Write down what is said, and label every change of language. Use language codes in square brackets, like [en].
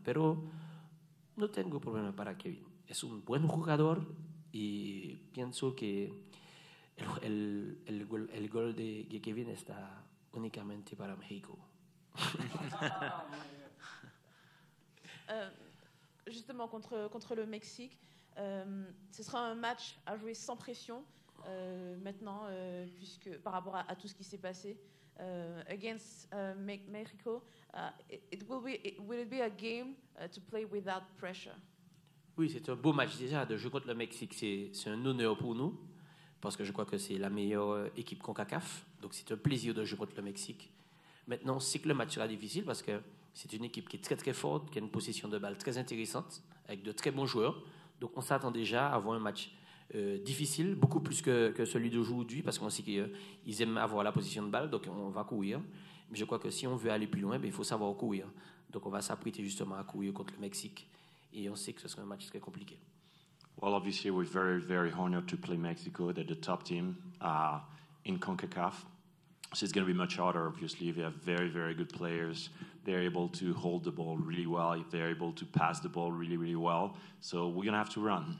[es] Pero no tengo problema para Kevin, es un buen jugador y pienso que el gol de Kevin está únicamente para México. [fr] Justement contre le Mexique, ce sera un match à jouer sans pression maintenant, puisque par rapport à tout ce qui s'est passé [en] against Mexico, will it be a game to play without pressure? [fr] Oui, c'est un beau match déjà de jouer contre le Mexique. C'est un honneur pour nous parce que je crois que c'est la meilleure équipe CONCACAF. Donc c'est un plaisir de jouer contre le Mexique. Maintenant, c'est que le match sera difficile parce que c'est une équipe qui est très très forte, qui a une position de balle très intéressante, avec de très bons joueurs. Donc on s'attend déjà à avoir un match difficile, beaucoup plus que celui d'aujourd'hui, parce qu'on sait qu'ils aiment avoir la position de balle, donc on va courir. Mais je crois que si on veut aller plus loin, ben, il faut savoir courir. Donc on va s'apprêter justement à courir contre le Mexique, et on sait que ce sera un match très compliqué. [en] Well, obviously, we're very, very honored to play Mexico. They're the top team in CONCACAF. So it's going to be much harder, obviously. They have very, very good players. They're able to hold the ball really well. They're able to pass the ball really, really well. So we're going to have to run.